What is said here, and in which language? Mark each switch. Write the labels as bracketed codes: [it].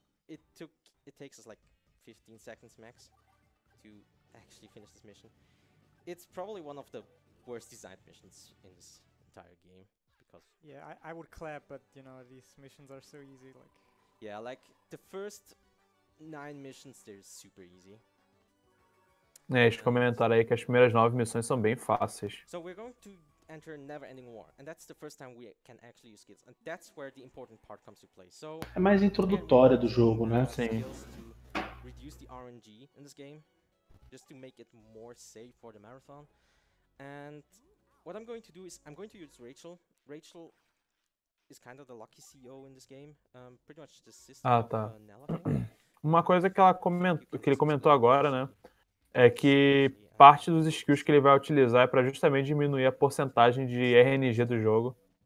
[en] it takes us like 15 seconds max to actually finish this mission. It's probably one of the worst designed missions in this entire game because I would clap, but you know, these missions are so easy, like the first 9 missions they're super easy. [pt] Deixa eu comentar aí que as primeiras 9 missões são bem fáceis. [en] So we're going to enter never ending war, and that's the first time we can actually use skills, and that's where the important part comes to play. So [pt] é mais introdutória do jogo, né? Sim. [en] Reduce the RNG in this game just to make it more safe for the marathon. And what I'm going to do is I'm going to use Rachel. Rachel is kind of the lucky CEO in this game. Pretty much the system. [pt] Ah, tá. Uma coisa que ela comentou, que ele comentou agora, né, é que parte dos skills que ele vai utilizar é para justamente diminuir a porcentagem de RNG do jogo.